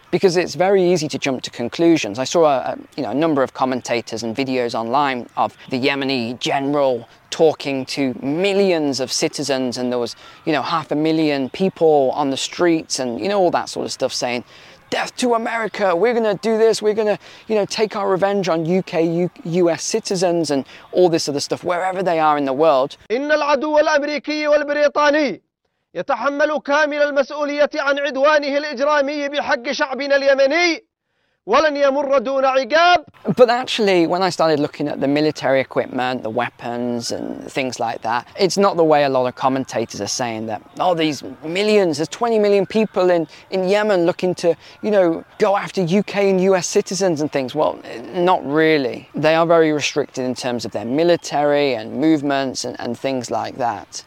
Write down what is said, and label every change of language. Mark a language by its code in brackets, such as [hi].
[en] Because it's very easy to jump to conclusions. I saw a number of commentators and videos online of the Yemeni general talking to millions of citizens, and there was, you know, 500,000 people on the streets and, you know, all that sort of stuff saying, death to America, we're going to do this, we're going to, you know, take our revenge on UK, US citizens and all this other stuff, wherever they are in the world. [ar] إن العدو الأمريكي والبريطاني يتحمل كامل المسؤولية عن عدوانه الإجرامي بحق شعبنا اليمني ولن يمر دون عقاب. [en] But actually, when I started looking at the military equipment, the weapons and things like that, it's not the way a lot of commentators are saying that, oh, these millions, there's 20 million people in Yemen looking to, you know, go after UK and US citizens and things. Well, not really. They are very restricted in terms of their military and movements and things like that.